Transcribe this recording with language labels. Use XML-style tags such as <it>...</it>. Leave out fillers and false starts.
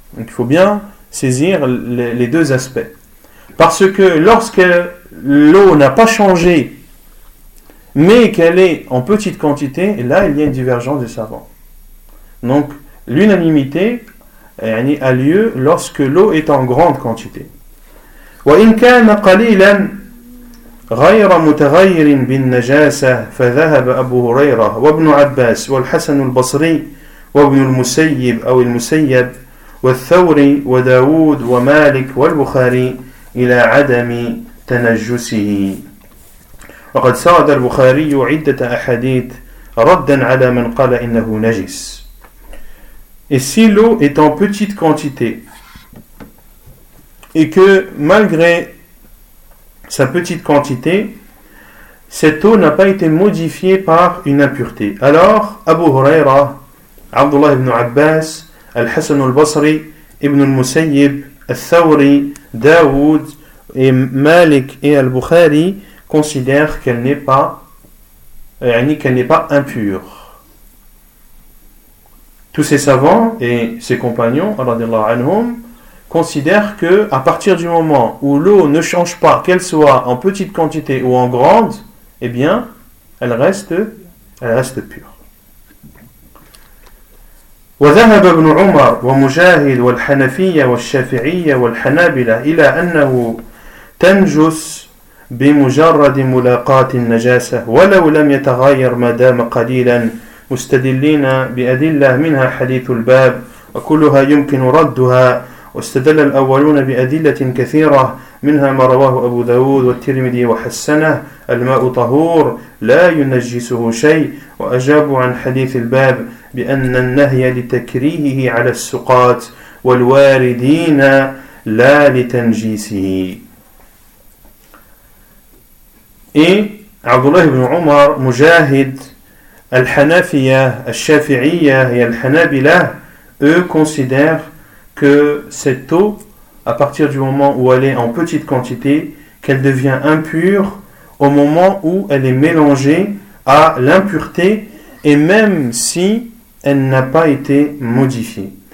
<fr>Donc il faut bien saisir les deux aspects. Parce que lorsque l'eau n'a pas changé, mais qu'elle est en petite quantité, là il y a une divergence des savants. Donc l'unanimité a lieu lorsque l'eau est en grande quantité.</fr> <ar>وَإِنْ كَانَ قَلِيلًا غَيْرَ مُتَغَيْرٍ بِالنَّجَاسَةِ فَذَهَبَ أَبُو هُرَيْرَةَ وَابْنُ عَبَّاسٍ وَالْحَسَنُ الْبَصْرِيُّ وابن المسيب أو المسيب والثوري وداود ومالك والبخاري إلى عدم تنجسه. وقد سرد البخاري عدة أحاديث ردا على من قال إنه نجس.</ar> <fr>Et si l'eau est en petite quantité et que malgré sa petite quantité, cette eau n'a pas été modifiée par une impureté, alors Abu Huraira, Abdullah ibn Abbas, Al-Hassan al-Basri, Ibn al-Musayyib, Al-Thawri, Daoud, et Malik et Al-Bukhari considèrent qu'elle n'est pas impure. Tous ces savants et ses compagnons, radiallahu anhum, considèrent qu'à partir du moment où l'eau ne change pas, qu'elle soit en petite quantité ou en grande, eh bien, elle reste pure.</fr> <ar>وذهب ابن عمر ومجاهد والحنفية والشافعية والحنابلة إلى أنه تنجس بمجرد ملاقاة النجاسة ولو لم يتغير ما دام قليلا مستدلين بأدلة منها حديث الباب وكلها يمكن ردها واستدل الأولون بأدلة كثيرة منها ما رواه أبو داود والترمذي وحسنه الماء طهور لا ينجسه شيء وأجابوا عن حديث الباب بأن النهي لتكريهه على السقاط والواردين لا لتنجيسه.</ar> <fr>Et Abdullah ibn Omar, Mujahid, Al-Hanafiya, Al-Shafi'iya et Al-Hanabila, eux considèrent que cette eau, à partir du moment où elle est en petite quantité, qu'elle devient impure au moment où elle est mélangée à l'impureté, et même si elle n'a pas été modifiée.</fr>